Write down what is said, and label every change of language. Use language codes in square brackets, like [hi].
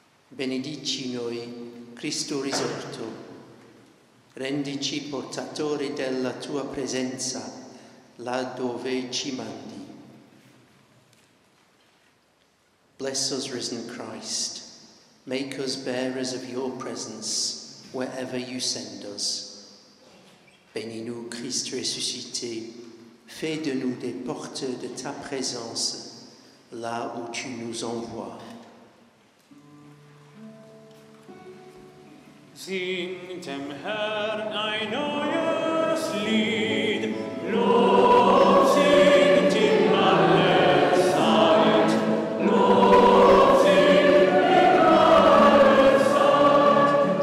[it] Benedici noi, Christo risorto, rendici portatori della tua presenza, là dove ci mandi. [en] Bless us, risen Christ, make us bearers of your presence, wherever you send us. [fr] Bénis-nous, Christ ressuscité, fais de nous des portes de ta présence là où tu nous envoies. [de] Sing dem Herrn ein neues Lied, Lob singt ihm alle Zeit, Lob singt ihm alle Zeit.